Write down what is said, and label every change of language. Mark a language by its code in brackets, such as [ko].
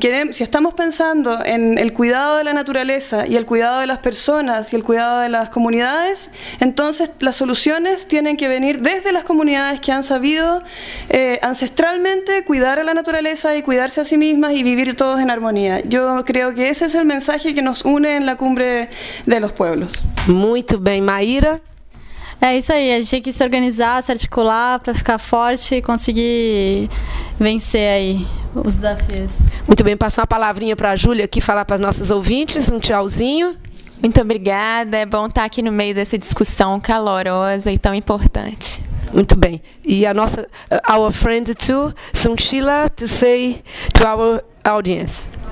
[es] Si estamos pensando en el cuidado de la naturaleza y el cuidado de las personas y el cuidado de las comunidades, entonces las soluciones tienen que venir desde las comunidades que han sabido ancestralmente cuidar a la naturaleza y cuidarse a sí mismas y vivir todos en armonía. Yo creo que ese es el mensaje que nos une en la cumbre de los pueblos. Muy bien, Mayra. [pt] É isso aí, a gente tem que se organizar, se articular para ficar forte e conseguir vencer aí os desafios. Muito bem, passar uma palavrinha para a Júlia aqui, falar para as nossas ouvintes, um tchauzinho. Muito obrigada, é bom estar aqui no meio dessa discussão calorosa e tão importante. Muito bem, e a nossa, [en] our friend too, Sunchila, to say to our audience.